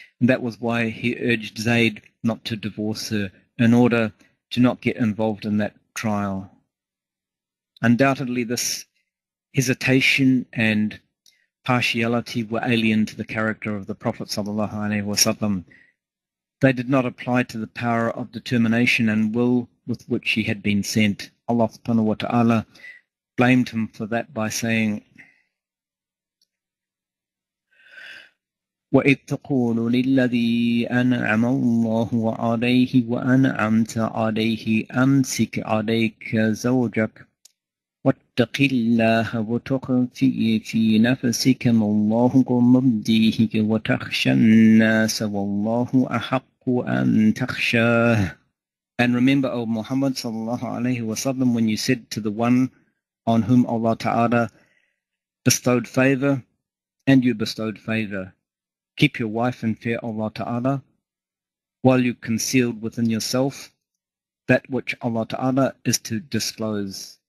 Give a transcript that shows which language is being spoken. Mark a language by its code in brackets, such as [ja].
[en] And that was why he urged Zayd not to divorce her in order to not get involved in that trial. Undoubtedly, this hesitation and partiality were alien to the character of the Prophet sallallahu alayhi wa sallam. They did not apply to the power of determination and will with which he had been sent. Allah subhanahu wa ta'ala blamed him for that by saying, [ar] وَإِذْ تَقُولُ لِلَّذِي أَنْعَمَ اللَّهُ عَلَيْهِ وَأَنْعَمْتَ عَلَيْهِ أَمْسِكْ عَلَيْكَ زَوْجَكَ وَاتَّقِ اللَّهَ وَتُخْفِي فِي نَفْسِكَ مَا اللَّهُ مُبْدِيهِ وَتَخْشَى النَّاسَ وَاللَّهُ أَحَقُّ أَن تَخْشَاهُ. [en] And remember, O Muhammad sallallahu alayhi wa sallam, when you said to the one on whom Allah Ta'ala bestowed favor, and you bestowed favor, keep your wife in fear, Allah Ta'ala, while you concealed within yourself that which Allah Ta'ala is to disclose.